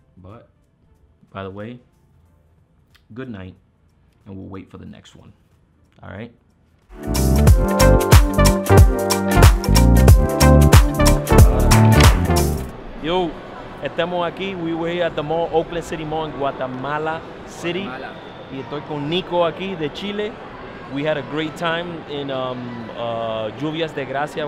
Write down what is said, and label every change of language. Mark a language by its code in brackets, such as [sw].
[en] But by the way, good night, and we'll wait for the next one. All right. [es] Yo, estamos aquí. [en] We were here at the mall, Oakland City Mall in Guatemala City. [es] Y estoy con Nico aquí de Chile. [en] We had a great time in Lluvias de Gracia.